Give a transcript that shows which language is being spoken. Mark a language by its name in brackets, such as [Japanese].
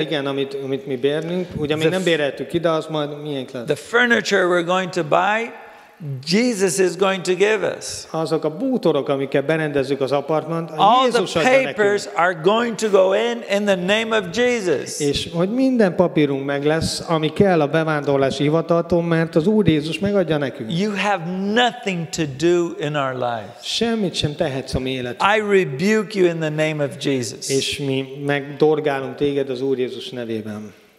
[Hungarian] Igen, amit mi bérnünk, ugye még nem béreltük ki, de az majd milyen lesz. [English] The furniture we're going to buy, Jesus is going to give us. [Hungarian] Azok a bútorok, amikkel berendezzük az apartmant, [English] all the papers are going to go in the name of Jesus. [Hungarian] És hogy minden papírunk meg lesz, ami kell a bevándorlási hivataltól, mert az Úr Jézus megadja nekünk. [English] You have nothing to do in our life. [Hungarian] Semmit sem tehetsz a mi életünk. [English] I rebuke you in the name of Jesus. [Hungarian] És mi megdorgálunk téged az Úr Jézus nevében.